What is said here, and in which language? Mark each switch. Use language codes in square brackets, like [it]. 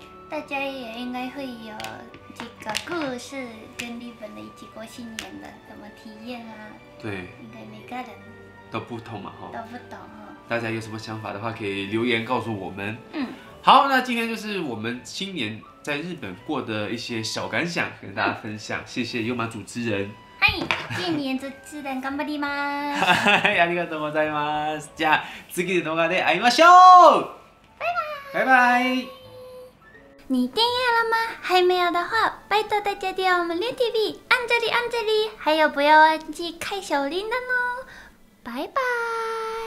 [zh] 大家也应该会有几个故事跟日本的一起过新年的什么体验啊？对，应该每个人都不同嘛，都不同。大家有什么想法的话，可以留言告诉我们。好，那今天就是我们新年在日本过的一些小感想，跟大家分享。谢谢优马主持人。 [ja] はい、新年自然頑張ります。はい、ありがとうございます。じゃあ次の動画で会いましょう。 [zh] 拜拜！你订阅了吗？还没有的话，拜托大家订阅我们练 TV， 按这里，按这里，还有不要忘记开小铃铛哦！拜拜。